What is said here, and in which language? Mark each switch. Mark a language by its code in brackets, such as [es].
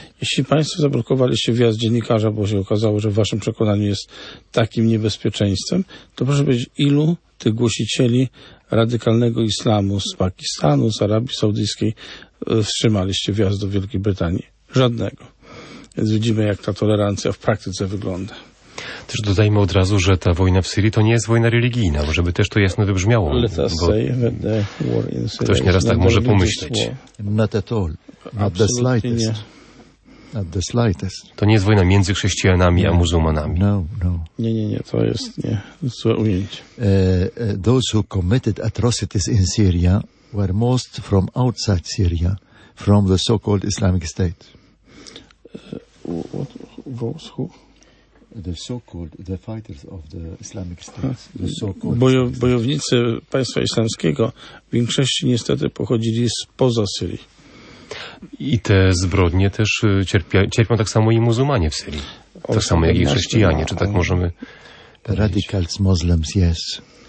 [pl] Jeśli państwo zablokowaliście wjazd dziennikarza, bo się okazało, że w waszym przekonaniu jest takim niebezpieczeństwem, to proszę powiedzieć, ilu tych głosicieli radykalnego islamu z Pakistanu, z Arabii Saudyjskiej wstrzymaliście wjazd do Wielkiej Brytanii? Żadnego. Więc widzimy, jak ta tolerancja w praktyce wygląda. Też dodajmy od razu, że ta wojna w Syrii to nie jest wojna religijna, bo żeby też to jasno wybrzmiało. [en] Let us say that the war in Syria. [pl] Ktoś nieraz tak może pomyśleć. [en] Not at all. Not the slightest. [pl] Nie. [en] Not the slightest. [pl] To nie jest wojna między chrześcijanami a muzułmanami. No. Nie, to jest nie. Złe ujęcie. [en] Those who committed atrocities in Syria were most from outside Syria, from the so-called Islamic State. The so-called the fighters of the Islamic State. [pl] Bojownicy państwa islamskiego w większości niestety pochodzili spoza Syrii. I te zbrodnie też cierpią tak samo i muzułmanie w Syrii. Tak samo jak i chrześcijanie. Czy tak możemy [en] Radicals, Muslims, yes.